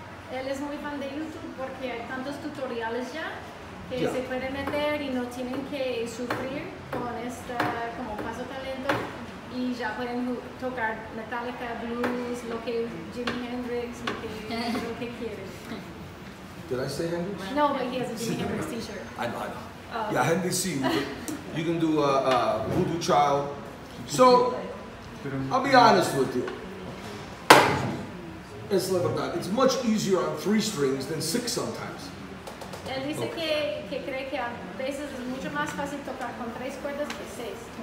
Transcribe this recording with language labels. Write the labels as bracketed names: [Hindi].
[Spanish] Él es muy fan de YouTube porque hay tantos tutoriales ya. Que se puede meter y no tienen que sufrir con esta como paso talento y ya pueden tocar Metallica, blues, lo que Jimi Hendrix, lo que quieren. [English] Did I say Hendrix? No, but he has a Jimi Hendrix t-shirt. I know. Yeah, Hendrix, you can do a voodoo child. So, I'll be honest with you. It's like that. It's much easier on three strings than six sometimes. [Spanish] Él dice que cree que a veces es mucho más fácil tocar con tres cuerdas que seis.